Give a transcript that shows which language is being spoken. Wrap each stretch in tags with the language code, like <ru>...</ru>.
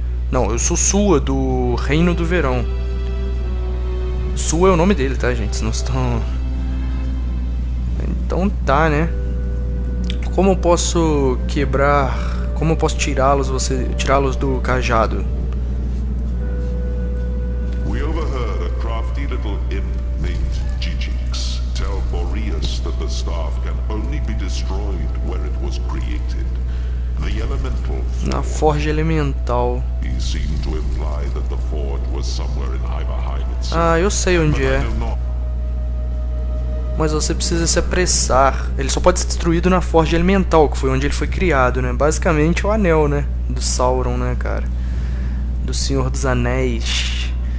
<pt>Não, eu sou Sua, do Reino do Verão. Sua é o nome dele, tá, gente? Senão estão... Então tá, né? Como eu posso quebrar... Como eu posso tirá-los, você... tirá-los do cajado?</pt> <en>We overheard a crafty little imp named Jijix tell Boreas that the staff can only be destroyed where it was created. The elemental forge.</en> <pt>Na forja elemental.</pt> <en>He seemed to imply that the forge was somewhere in Iberheim itself.</en> <pt>Ah, eu sei onde é. Mas você precisa se apressar. Ele só pode ser destruído na forja elemental, que foi onde ele foi criado, né? Basicamente o anel, né? Do Sauron, né, cara? Do Senhor dos Anéis.</pt>